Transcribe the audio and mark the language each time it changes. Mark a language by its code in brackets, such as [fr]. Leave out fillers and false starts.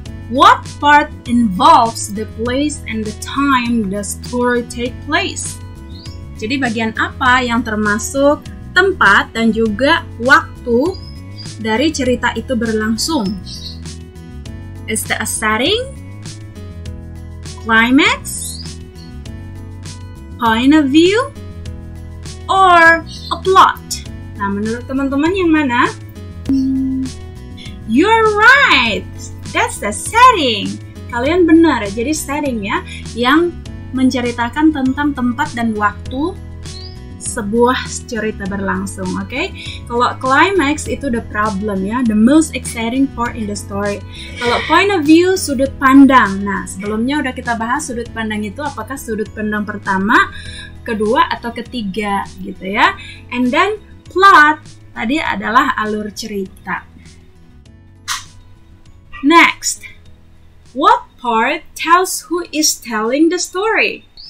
[en] What part involves the place and the time the story take place? [id] Jadi bagian apa yang termasuk tempat dan juga waktu dari cerita itu berlangsung? [en] Is that a setting, climax, point of view, or a plot? [id] Nah, menurut teman-teman yang mana? [en] You're right! That's the setting! [id] Kalian benar, jadi setting ya, yang menceritakan tentang tempat dan waktu sebuah cerita berlangsung, oke? Okay? Kalau climax itu [en] the problem ya, the most exciting part in the story. [id] Kalau point of view, sudut pandang. Nah, sebelumnya udah kita bahas sudut pandang itu apakah sudut pandang pertama, kedua, atau ketiga gitu ya. [en] And then [id] plot tadi adalah alur cerita. [en] Next, what part tells who is telling the story?